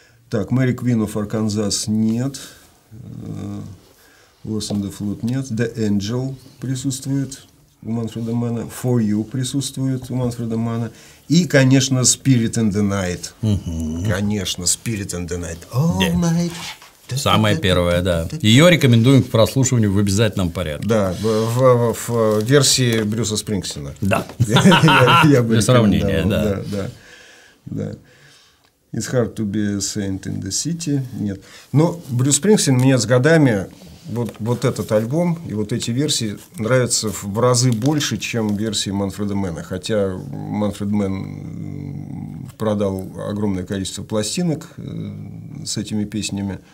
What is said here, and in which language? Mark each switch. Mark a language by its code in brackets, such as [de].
[ru] Так, Mary Queen of Arkansas нет, Lost in the Flood нет, The Angel присутствует у Manfred Mann'а, For You присутствует у Manfred Mann'а, и, конечно, Spirit in the Night, конечно, Spirit in the Night, All Night. Самая первая, да. Ее рекомендуем к прослушиванию в обязательном порядке. Да, в версии Брюса Спрингстина. Да. Я бы для сравнения, да. Да. [en] It's hard to be a saint in the city. [ru] Нет. Но Брюс Спрингстин мне с годами, вот этот альбом и вот эти версии нравятся в разы больше, чем версии Manfred Mann'а. Хотя Manfred Mann продал огромное количество пластинок с этими песнями.